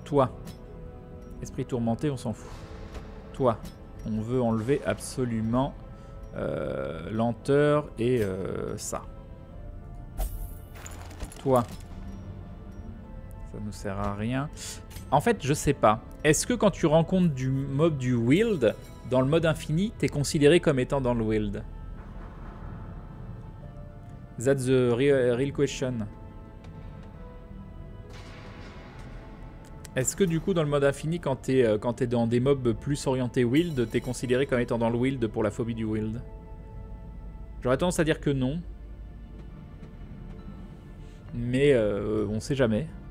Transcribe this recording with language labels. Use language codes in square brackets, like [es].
[fr] Toi, esprit tourmenté, on s'en fout. Toi, on veut enlever absolument lenteur et ça. Toi, ça ne nous sert à rien. En fait, je sais pas. Est-ce que quand tu rencontres du mob du wield, dans le mode infini, t'es considéré comme étant dans le wield? [en] That's the real question. [fr] Est-ce que du coup, dans le mode infini, quand t'es dans des mobs plus orientés wield, t'es considéré comme étant dans le wield pour la phobie du wield? J'aurais tendance à dire que non. Mais on sait jamais.